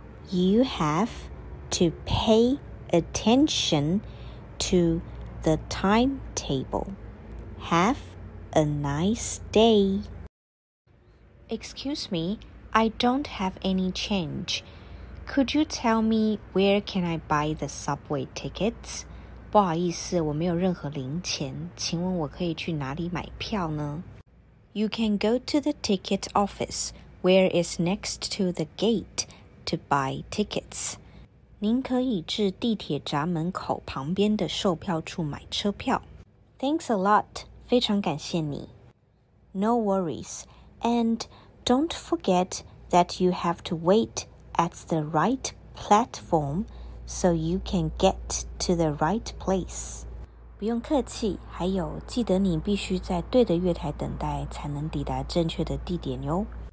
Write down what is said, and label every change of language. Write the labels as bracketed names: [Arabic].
[English] You have to pay attention to the timetable. Have a nice day. Excuse me. I don't have any change. Could you tell me where can I buy the subway tickets? [Chinese] 不好意思，我没有任何零钱，请问我可以去哪里买票呢？ [English] You can go to the ticket office, where is next to the gate, to buy tickets. [Chinese] 您可以至地铁闸门口旁边的售票处买车票。 [English] Thanks a lot. [Chinese] 非常感谢你。 [English] No worries. And... Don't forget that you have to wait at the right platform so you can get to the right place. [Chinese] 不用客气，还有记得你必须在对的月台等待才能抵达正确的地点哟。